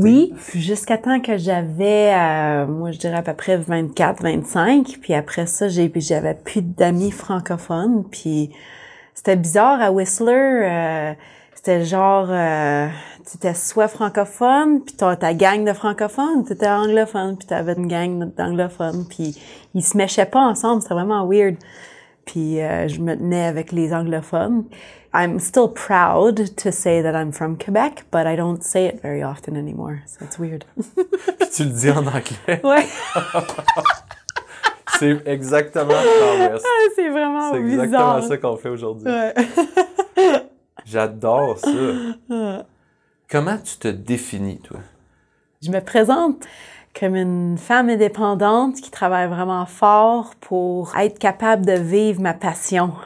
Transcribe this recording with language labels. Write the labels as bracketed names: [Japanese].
[French] Oui, jusqu'à temps que j'avais, moi je dirais à peu près 24-25, puis après ça, j'avais plus d'amis francophones, puis c'était bizarre à Whistler, c'était genre, tu étais soit francophone, puis ta gang de francophones, tu étais anglophone, puis tu avais une gang d'anglophones, puis ils se mêchaient pas ensemble, c'était vraiment weird. Puis je me tenais avec les anglophones. [English] I'm still proud to say that I'm from Quebec, but I don't say it very often anymore. So it's weird. [French] Puis tu le dis en anglais. Ouais. C'est exactement ça. Ah, c'est vraiment bizarre. C'est exactement bizarre. Ça qu'on fait aujourd'hui. Ouais. J'adore ça. Comment tu te définis, toi? Je me présente comme une femme indépendante qui travaille vraiment fort pour être capable de vivre ma passion.